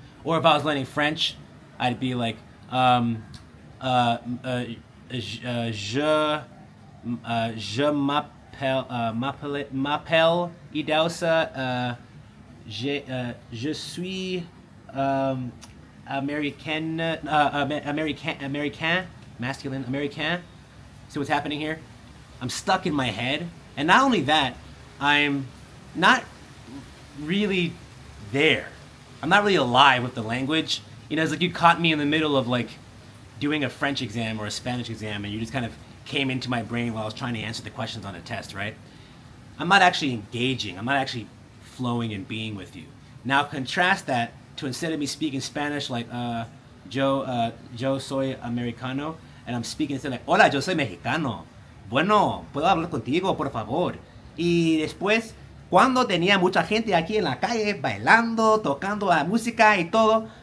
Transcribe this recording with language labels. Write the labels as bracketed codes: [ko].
[en] Or if I was learning French, I'd be like [fr] je m'appelle Idausa. Je suis américain, masculine. [en] See what's happening here? I'm stuck in my head. And not only that, I'm not really there. I'm not really alive with the language. You know, it's like you caught me in the middle of like doing a French exam or a Spanish exam and you just kind of came into my brain while I was trying to answer the questions on a test, right? I'm not actually engaging. I'm not actually flowing and being with you. Now contrast that to instead of me speaking Spanish like [es] yo soy americano, [en] and I'm speaking instead like [es] hola, yo soy mexicano. Bueno, puedo hablar contigo, por favor. Y después, cuando tenía mucha gente aquí en la calle bailando, tocando la música y todo.